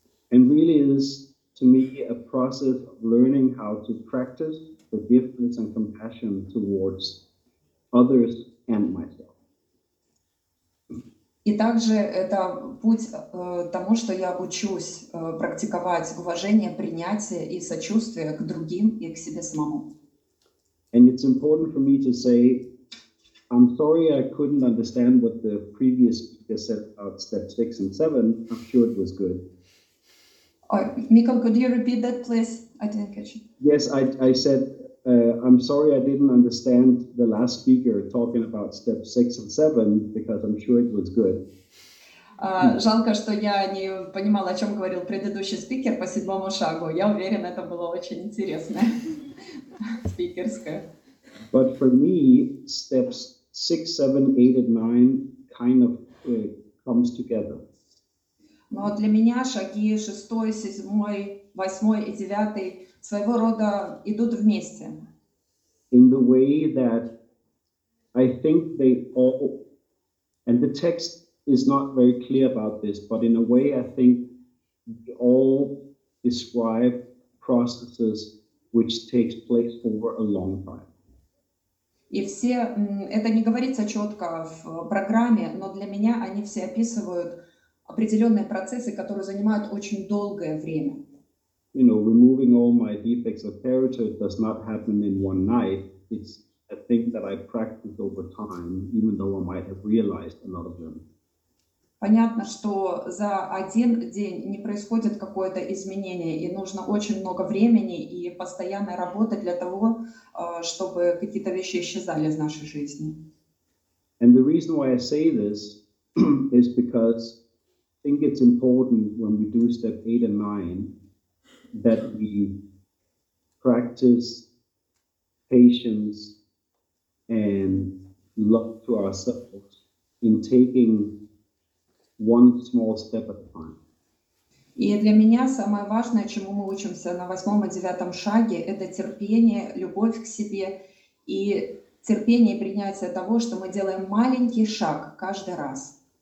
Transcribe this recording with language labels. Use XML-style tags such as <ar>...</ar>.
<en>And really is to me a process of learning how to practice forgiveness and compassion towards others. And myself.</en> <ru>И также это путь тому, что я учусь практиковать уважение, принятие и сочувствие к другим и к себе самому.</ru> <en>And it's important for me to say, I'm sorry I couldn't understand what the previous speaker said about step 6 and 7. I'm sure it was good. Michael, could you repeat that, please? I didn't catch it. Yes, I said... I'm sorry I didn't understand the last speaker talking about step 6 and 7, because I'm sure it was good.</en> <ru>Жалко, что я не понимала, о чем говорил предыдущий спикер по седьмому шагу. Я уверен, это было очень интересное спикерское.</ru> <en>But for me, steps 6, 7, 8 and 9 kind of comes together.</en> <ru>Но для меня шаги 6, 7, 8 и 9 своего рода идут вместе.</ru> <en>In the way that I think they all, and the text is not very clear about this, but in a way I think they all describe processes which takes place over a long time.</en> <ru>И все, это не говорится четко в программе, но для меня они все описывают определенные процессы, которые занимают очень долгое время.</ru> <en>You know, removing all my defects of character does not happen in one night. It's a thing that I practice over time, even though I might have realized a lot of them.</en> <ru>Понятно, что за один день не происходит какое-то изменение, и нужно очень много времени и постоянной работы для того, чтобы какие-то вещи исчезали из нашей жизни.</ru> <en>And the reason why I say this is because I think it's important when we do step 8 and 9 that we practice patience and love to ourselves in taking one small step at a time.</en> <ru>И для меня самое важное, чему мы учимся на 8-м и 9-м шаге, это терпение, любовь к себе и терпение и принятие того, что мы делаем маленький шаг каждый раз.</ru>